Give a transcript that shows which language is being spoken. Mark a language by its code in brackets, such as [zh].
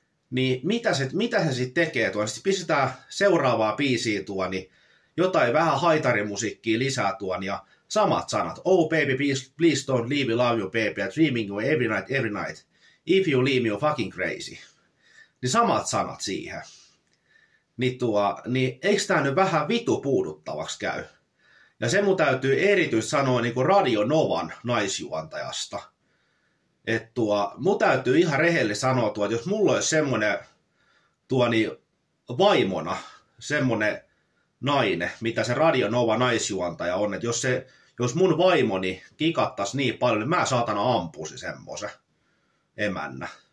[fi] Niin mitä se sitten tekee tuo? Sitten pistetään seuraavaa biisiä jotain vähän haitarimusiikkia lisää ja samat sanat. [en] Oh baby, please don't leave me, love you baby, I'm dreaming you every night, if you leave me, you're fucking crazy. [fi] Niin samat sanat siihen. Niin eikö tämä nyt vähän vitu puuduttavaksi käy? Ja se mun täytyy erityisesti sanoa niin kuin Radio Novan naisjuontajasta. Mun täytyy ihan rehellisesti sanoa, että jos mulla olisi semmoinen vaimona, semmoinen nainen, mitä se Radio Nova naisjuontaja on, että jos mun vaimoni kikattaisi niin paljon, niin mä saatana ampuisin semmoisen emännä.